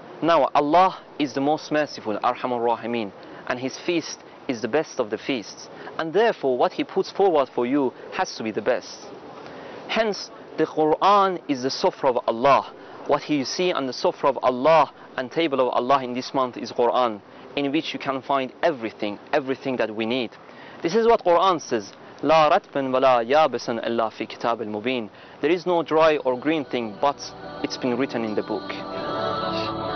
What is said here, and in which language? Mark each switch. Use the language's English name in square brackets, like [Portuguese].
[English] Now, Allah is the most merciful, Arhamur Rahimin, and His feast is the best of the feasts, and therefore what He puts forward for you has to be the best. Hence, the Quran is the sufra of Allah. What you see on the sufra of Allah and table of Allah in this month is Quran, in which you can find everything that we need. This is what Quran says, [Arabic] لا رتب ولا يابس إلا في كتاب المبين. [English] There is no dry or green thing, but it's been written in the book.